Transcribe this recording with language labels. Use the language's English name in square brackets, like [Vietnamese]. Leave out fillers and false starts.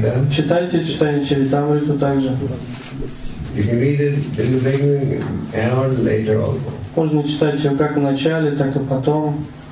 [Russian] Читайте читание Чаритамриту также. [English] You can read it in the beginning and later also. [Russian] Можно читать ее как в начале, так и потом.